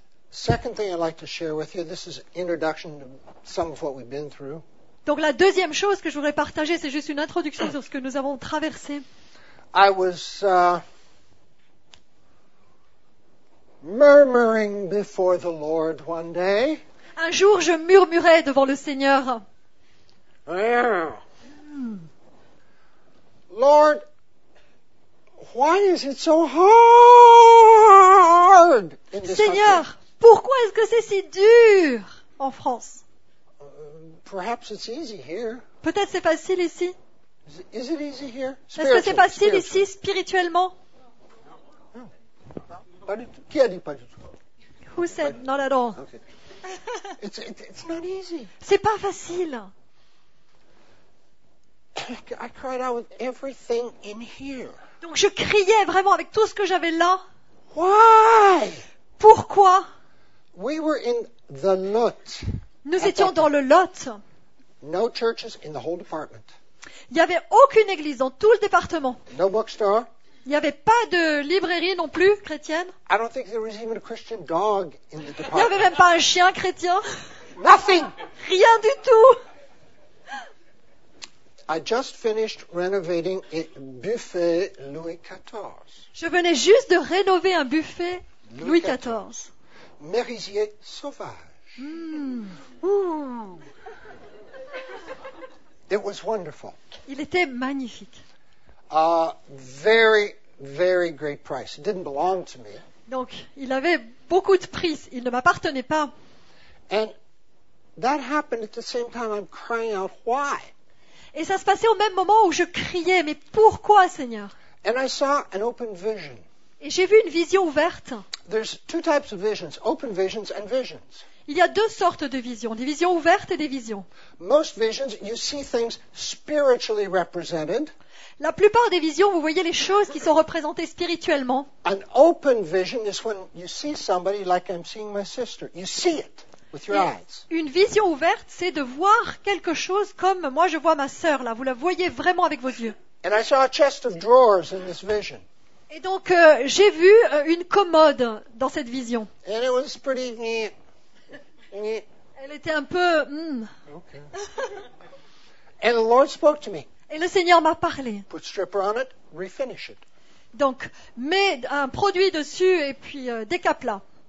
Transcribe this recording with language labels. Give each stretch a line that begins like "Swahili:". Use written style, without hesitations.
English: Second thing I'd like to share with you, this is an introduction to some of what we've been through.
French: Donc la deuxième chose que je voudrais partager, c'est juste une introduction sur ce que nous avons traversé.
English: I was murmuring before the Lord one day.
French: Un jour, je murmurais devant le Seigneur.
English: Lord, why is it so hard in this country?
French: Seigneur, pourquoi est-ce que c'est si dur en France?
English: Perhaps it's easy here.
French: Peut-être c'est facile ici.
English: Is it easy here?
French: Est-ce que c'est facile ici spirituellement? Qui a dit pas du tout?
English: Who said not at all? Okay. It's not easy.
French: C'est pas facile.
English: I cried out with everything in here.
French: Donc je criais vraiment avec tout ce que j'avais là.
English: Why?
French: Pourquoi?
English: We were in the Lot.
French: Nous étions dans le Lot.
English: No churches in the whole department.
French: Il n'y avait aucune église dans tout le département.
English: No bookstore.
French: Il n'y avait pas de librairie non plus chrétienne.
English: I don't think there was even a Christian dog in the department.
French: Il n'y avait même pas un chien chrétien.
English: Nothing.
French: Rien du tout.
English: I just finished renovating a buffet Louis XIV.
French: Je venais juste de rénover un buffet Louis XIV. Merisier sauvage.
English: It was wonderful.
French: Il était magnifique.
English: Very, very great price. It didn't belong to me.
French: Donc, il avait beaucoup de prix. Il ne m'appartenait pas.
English: And that happened at the same time I'm crying out, why?
French: Et ça se passait au même moment où je criais, mais pourquoi, Seigneur?
English: And I saw an open vision.
French: Et j'ai vu une vision ouverte.
English: There's two types of visions, open visions and visions.
French: Il y a deux sortes de visions, des visions ouvertes et des visions.
English: Most visions, you see things spiritually represented.
French: La plupart des visions, vous voyez les choses qui sont représentées spirituellement.
English: An open vision is when you see somebody like I'm seeing my sister. You see it.
French: Une vision ouverte, c'est de voir quelque chose comme moi je vois ma sœur là. Vous la voyez vraiment avec vos yeux.
English: And I saw a chest of drawers in this vision.
French: Et donc j'ai vu une commode dans cette vision.
English: And it was pretty neat.
French: Elle était un peu.
English: Okay. And the Lord spoke to me.
French: Et le Seigneur m'a parlé.
English: Put stripper on it, refinish it.
French: Donc mets un produit dessus et puis décape là.